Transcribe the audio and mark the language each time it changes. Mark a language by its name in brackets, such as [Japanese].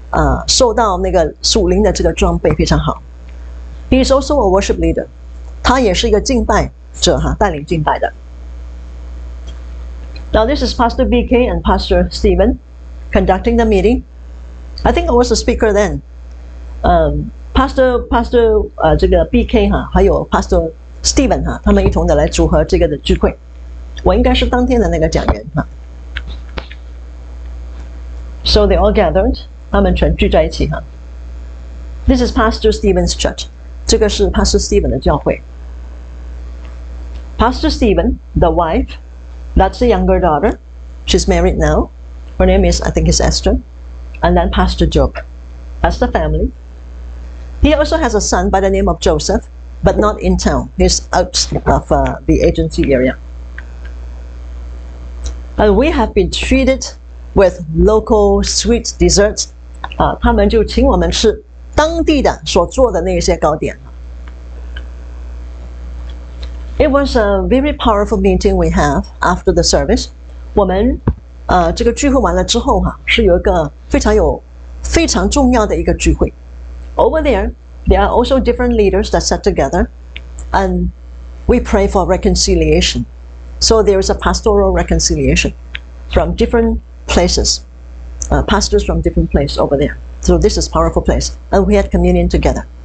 [Chinese] 他是全备受到那个属灵的这个装备非常好. [English] He is also a worship leader. [Chinese] 他也是一个敬拜者，带领敬拜的. [English] Now this is Pastor BK and Pastor Stephen conducting the meeting. I think I was a speaker then. [Chinese] Pastor BK 还有 Pastor Stephen 他们一同的来组合这个的聚会，我应该是当天的那个讲员。 [English] So they all gathered, [Chinese] 他们全聚在一起。 [English] This is Pastor Stephen's church, [Chinese] 这个是 Pastor Stephen 的教会。 [English] Pastor Stephen, the wife, that's the younger daughter, she's married now, her name is, I think it's Esther, and then Pastor Job, that's the family. He also has a son by the name of Joseph, but not in town. He's out of the agency area. And we have been treated with local sweet desserts. [Chinese] 他们就请我们吃当地的所做的那些糕点. [English] It was a very powerful meeting we have after the service. [Chinese] 我们这个聚会完了之后，是有一个非常重要的一个聚会. [English] Over there, there are also different leaders that sat together, and we pray for reconciliation. So there is a pastoral reconciliation from different places, pastors from different places over there. So this is a powerful place, and we had communion together.